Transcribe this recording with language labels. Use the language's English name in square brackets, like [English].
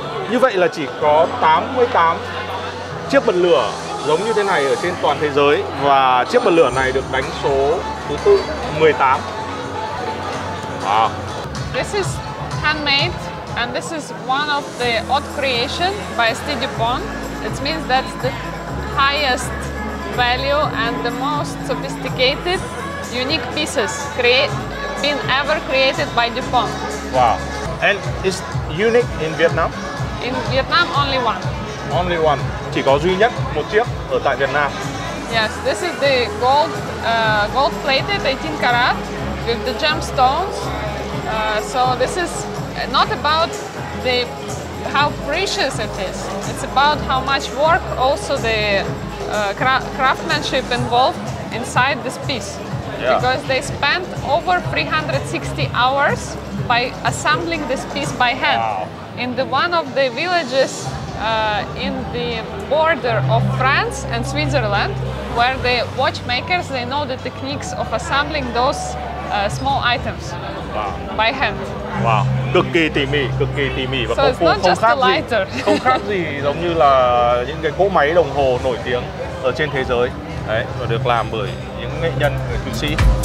[Vietnamese] Như vậy là chỉ có 88 chiếc bật lửa giống như thế này ở trên toàn thế giới và chiếc bật lửa này được đánh số thứ tự 18. [English] Wow. This is handmade and this is one of the odd creation by Steve Dupont. It means that's the highest value and the most sophisticated unique pieces been ever created by Dupont. Wow. And is unique in Vietnam? In Vietnam only one. Only one. [Vietnamese] Chỉ có duy nhất một chiếc ở tại Việt Nam. [English] Yes, this is the gold gold plated 18 karat with the gemstones. So this is not about the how precious it is. It's about how much work also the craftsmanship involved inside this piece. Yeah. Because they spent over 360 hours by assembling this piece by hand. Wow. In the one of the villages in the border of France and Switzerland, where the watchmakers, they know the techniques of assembling those small items. Wow. By hand. [Vietnamese] Wow, cực kỳ tỉ mỉ và [English] so [Vietnamese] công phu không khác gì, không khác gì giống như là những cái cỗ máy đồng hồ nổi tiếng ở trên thế giới. Đấy, và được làm bởi những nghệ nhân, người thụy sĩ.